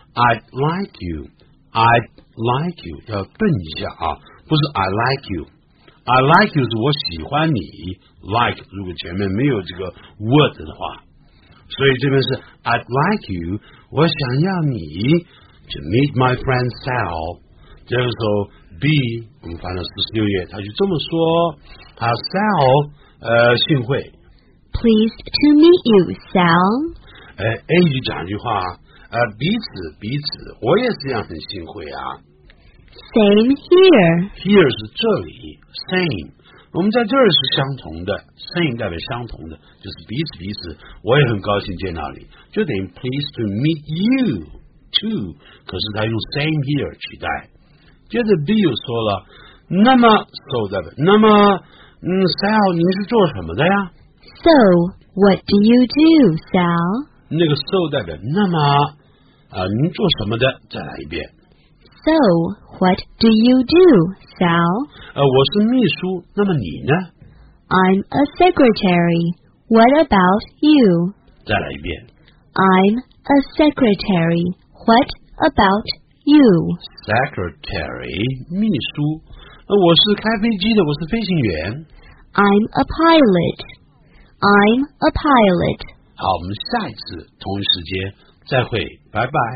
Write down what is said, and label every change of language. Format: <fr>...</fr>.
<en>I'd like you， I'd like you，</en> <zh>要顿一下啊，不是</zh> <en>I like you，</en> <zh>I like you 是我喜欢你， like 如果前面没有这个 word 的话，所以这边是 I'd like you， 我想要你</zh> <en>to meet my friend Sal，</en> <zh>这个时候 B 我们翻到46页，他就这么说，他 Sal 幸会</zh> <en>，Pleased to meet you Sal，</en> <zh>哎 A 就讲一句话。彼此彼此，我也是这样很幸会啊。</zh> <en>Same here.</en> <zh>Here 是这里 ，same。我们在这儿是相同的 ，same 代表相同的，就是彼此彼此。我也很高兴见到你，就等于</zh> <en>pleased to meet you too。</en> <zh>可是他用</zh> <en>same here</en> <zh>取代。接着 B 又说了，那么 so 代表那么Sal 你是做什么的呀</zh> <en>？So what do you do, Sal?</en> <zh>那个 so 代表那么您做什么的，再来一遍</zh> <en>So what do you do Sal</en> <zh>我是秘书，那么你呢</zh> <en>I'm a secretary What about you</en> <zh>再来一遍</zh> <en>I'm a secretary What about you</en> <zh>Secretary 秘书我是开飞机的，我是飞行员</zh> <en>I'm a pilot</en> <zh>好，我们下一次同一时间再会，拜拜。</zh>